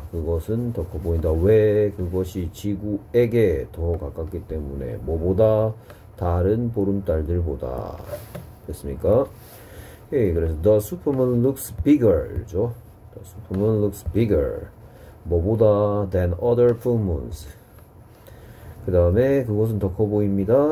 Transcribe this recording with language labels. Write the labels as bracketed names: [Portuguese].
[Korean] 그것은 더커 보인다. 왜 그것이 지구에게 더 가깝기 때문에 뭐보다 다른 보름달들보다 됐습니까? 예, 그래서 [English] the supermoon looks bigger죠. the supermoon looks bigger [Korean] 뭐보다 [English] than other full moons. [Korean] 그 다음에 그것은 더커 보입니다.